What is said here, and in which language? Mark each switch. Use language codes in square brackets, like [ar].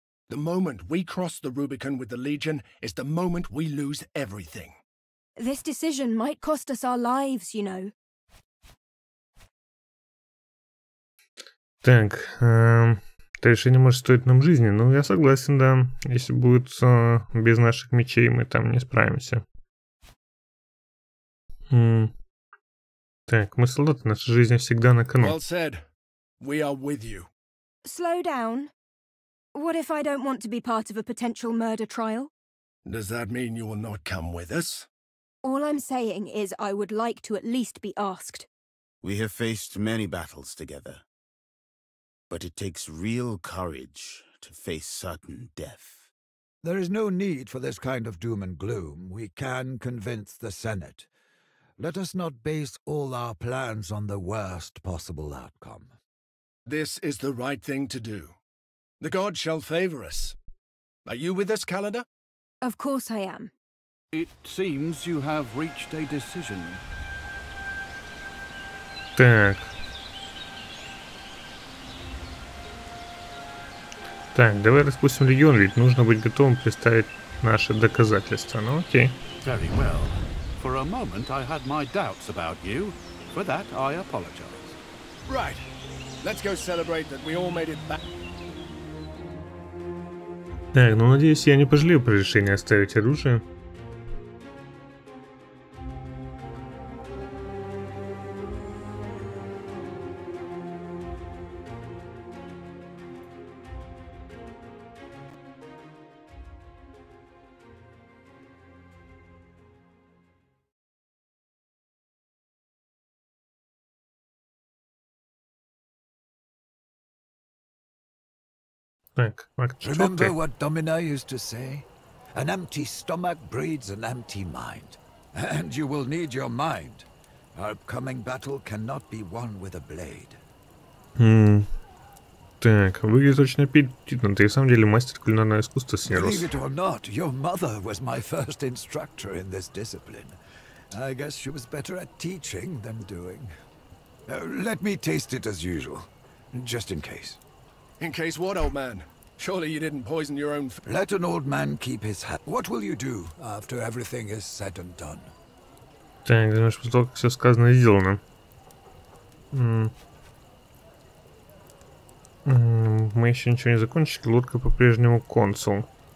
[en] The moment we cross the Rubicon with the Legion is the moment we lose everything. This decision might cost us our lives, you know. [ru] Так, это решение может стоить нам жизни. Ну, я согласен, да. Если будет без наших мечей, мы там не справимся. Так, мы солдаты, наша жизнь всегда на кону. [en] Well said. We are with you. Slow down. What if I don't want to be part of a potential murder trial? Does that mean you will not come with us? All I'm saying is I would like to at least be asked. We have faced many battles together. But it takes real courage to face certain death. There is no need for this kind of doom and gloom. We can convince the Senate. Let us not base all our plans on the worst possible outcome. This is the right thing to do. The gods shall favor us. Are you with us, Calendar? Of course I am. It seems you have reached a decision. [ru] Так. Так, давай распустим легион, ведь нужно быть готовым представить наши доказательства. Ну, окей. [en] Very well. For a moment I had my doubts about you. For that I apologize. Right. Let's go celebrate that we all made it back. [ru] Так, ну надеюсь, я не пожалею про решение оставить оружие. [en] Remember what Domina used to say? An empty stomach breeds an empty mind. And you will need your mind. Our upcoming battle cannot be won with a blade. [ru] Так, выглядит очень аппетитно. Ты, на самом деле, мастер кулинарного искусства, сеньор. [en] Believe it or not, your mother was my first instructor in this discipline. I guess she was better at teaching than doing. Let me taste it as usual, just in case. In case what, old man? Surely you didn't poison your own... Let an old man keep his hat. What will you do after everything is said and done? [ru] Так, значит, после того, как все сказано и сделано. Мы еще ничего не закончили, лодка по-прежнему консул.